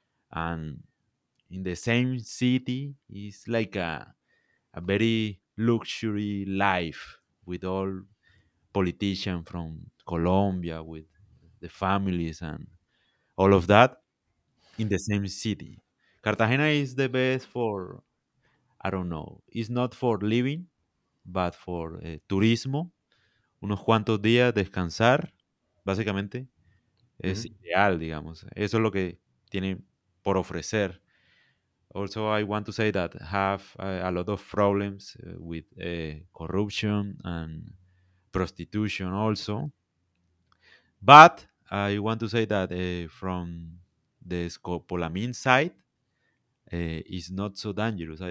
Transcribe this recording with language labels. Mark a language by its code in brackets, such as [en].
[en] And in the same city, it's like a very luxury life with all politicians from Colombia, with the families and all of that in the same city. Cartagena is the best for, I don't know, it's not for living, but for turismo. [es] Unos cuantos días descansar, básicamente, es ideal, digamos. Eso es lo que tienen por ofrecer. [en] Also, I want to say that have a lot of problems with corruption and prostitution also. But I want to say that from the scopolamine side, it's not so dangerous.